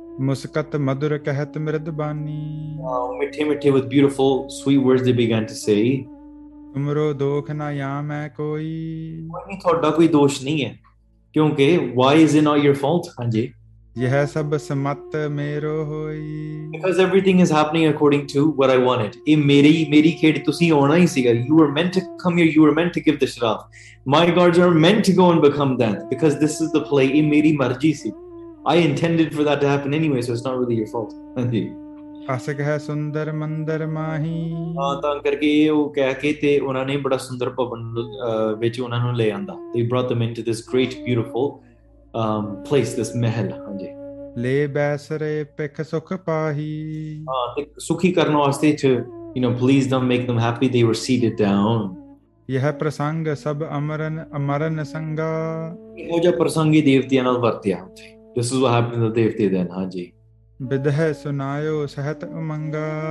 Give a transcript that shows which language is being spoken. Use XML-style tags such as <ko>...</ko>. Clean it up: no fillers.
<bra>ਮੁਸਕਤ ਮਧੁਰ ਕਹਿਤ ਮਿਰਦ ਬਾਨੀ,</bra> <en>ਮਿੱਠੇ ਮਿੱਠੇ with beautiful sweet words they began to say,</en> <bra>ਤੁਮਰੋ ਦੋਖ ਨਾ ਯਾਮ ਹੈ ਕੋਈ,</bra> <pa>ਤੁਹਾਡਾ ਕੋਈ ਦੋਸ਼ ਨਹੀਂ ਹੈ, ਕਿਉਂਕਿ</pa> <en>Why is it not your fault.</en> <pa>ਹਾਂਜੀ,</pa> <bra>ਯਹ ਸਭ ਸਮਤ ਮੇਰੋ ਹੋਈ।</bra> <en>because everything is happening according to what I wanted.</en> <pa>ਇਹ ਮੇਰੀ ਮੇਰੀ ਖੇਡ, ਤੁਸੀਂ ਆਉਣਾ ਹੀ ਸੀਗਾ।</pa> <en>you were meant to come here, you were meant to give the shraf, my gods are meant to go and become that, because this is the play.</en> <pa>ਇਹ ਮੇਰੀ ਮਰਜ਼ੀ ਸੀ,</pa> <en>I intended for that to happen anyway, so it's not really your fault.</en> <pa>ਹਾਂਜੀ,</pa> <bra>ਅਸਕ ਹੈ ਸੁੰਦਰ ਮੰਦਰ ਮਾਹੀ,</bra> <pa>ਹਾਂ ਤਾਂ ਕਰਕੇ ਉਹ ਕਹਿ ਕੇ ਤੇ ਉਹਨਾਂ ਨੇ ਬੜਾ ਸੁੰਦਰ ਭਵਨ ਵਿੱਚ ਉਹਨਾਂ ਨੂੰ ਲੈ ਆਂਦਾ।</pa> <en>they brought them into this great beautiful place, this mahal.</en> <pa>ਹਾਂਜੀ,</pa> <bra>ਲੇ ਬੈਸਰੇ ਪਿਖ ਸੁਖ ਪਾਹੀ,</bra> <pa>ਸੁਖੀ ਕਰਨ ਵਾਸਤੇ ਚ</pa> <en>You know please don't make them happy, they were seated down.</en> <bra>ਇਹ ਪ੍ਰਸੰਗ ਸਭ ਅਮਰਨ ਅਮਰਨ ਸੰਗਾ,</bra> <pa>ਇਹੋ ਜਿਹਾ ਪ੍ਰਸੰਗੀ ਦੇਵਤਿਆਂ ਨਾਲ ਵਰਤਿਆ ਉੱਥੇ।</pa> <en>This is what happened to the ਦੇਵਤੇ then. ਹਾਂਜੀ,</en> <bra>ਬਿਦਹਿ ਸੁਨਾਇਓ ਸਹਿਤ ਉਮੰਗਾ,</bra>